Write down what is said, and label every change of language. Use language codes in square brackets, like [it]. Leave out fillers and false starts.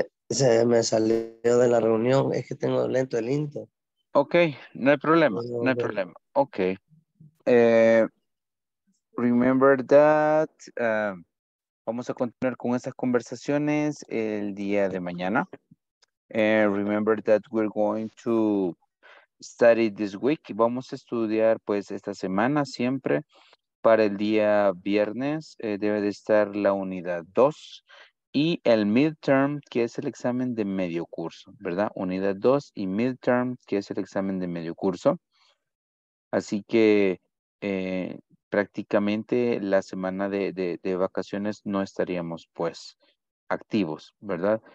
[es] Se me salió de la reunión, es que tengo lento el intro. Ok, no hay problema, no hay problema. Ok. [en] Remember that. [es] Vamos a continuar con estas conversaciones el día de mañana. [en] Remember that we're going to study this week. [es] Vamos a estudiar pues esta semana siempre. Para el día viernes debe de estar la unidad 2 y el midterm, que es el examen de medio curso, ¿verdad? Unidad 2 y midterm, que es el examen de medio curso. Así que prácticamente la semana de vacaciones no estaríamos, pues, activos, ¿verdad?